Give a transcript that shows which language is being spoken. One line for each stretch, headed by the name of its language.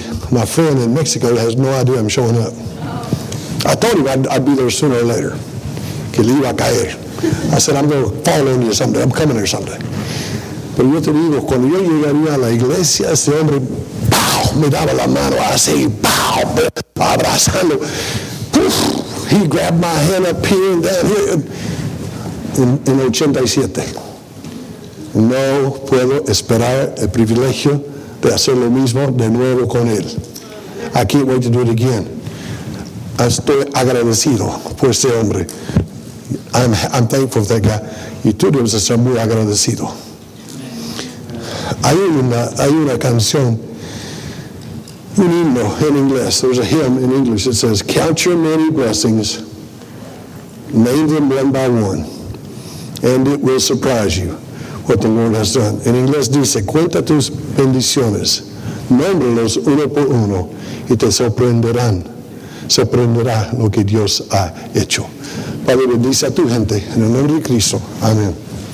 English: My friend in Mexico has no idea I'm showing up. I told him I'd be there sooner or later.
Spanish: Que le iba a caer.
English: I said, I'm going to fall on you someday. I'm coming here someday.
Spanish: Pero yo te digo, cuando yo llegaría a la iglesia, ese hombre, ¡pow!, me daba la mano así, ¡pow!, abrazando. ¡Puf!
English: He grabbed my hand up here and down here.
Spanish: En 87. No puedo esperar el privilegio de hacer lo mismo de nuevo con él.
English: I can't wait to do it again.
Spanish: Estoy agradecido por ese hombre.
English: I'm thankful for that guy.
Spanish: Y tú debes estar muy agradecido. Hay una canción, un himno en inglés.
English: There's a hymn in English that says, count your many blessings, name them one by one, and it will surprise you what the Lord has done.
Spanish: En inglés dice, cuenta tus bendiciones, nómbralos uno por uno, y te sorprenderán, sorprenderá lo que Dios ha hecho. Padre, bendice a tu gente, en el nombre de Cristo. Amén.